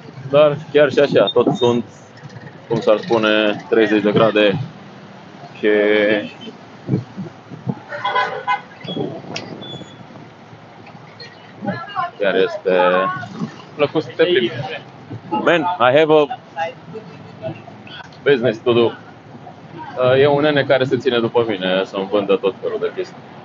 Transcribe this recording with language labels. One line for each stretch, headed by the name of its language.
Romanian: Dar chiar și așa, tot sunt, cum s-ar spune, 30 de grade. Și chiar este plăcut să te plimbi.
English: Man, I have a business to do.
Romanian: E un nene care se ține după mine să-mi vândă tot felul de chestii.